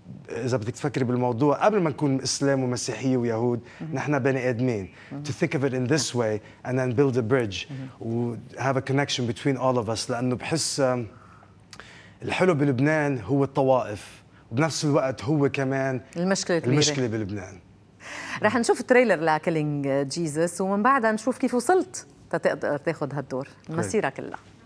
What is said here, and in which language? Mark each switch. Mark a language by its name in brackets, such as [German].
[Arabic] إذا بدك تفكري بالموضوع قبل ما نكون إسلام ومسيحية ويهود، نحن بني آدمين. [English] To think of it in this way and then build a bridge have a connection between all of us. [Arabic] لأنه بحس الحلو بلبنان هو الطوائف، وبنفس الوقت هو كمان المشكلة كبيرة. المشكلة بلبنان. رح نشوف تريلر لكيلينج جيزس، ومن بعدها نشوف كيف وصلت تتقدر تاخذ هالدور مسيرة كلها.